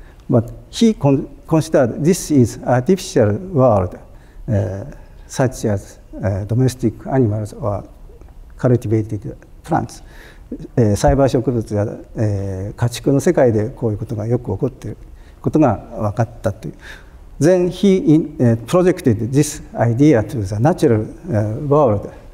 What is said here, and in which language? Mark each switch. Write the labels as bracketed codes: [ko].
[en] But he considered this is artificial world, such as domestic animals or cultivated plants. [ja] 栽培植物や、家畜の世界でこういうことがよく起こっていることが分かったという。 [en] Then he projected this idea to the natural world.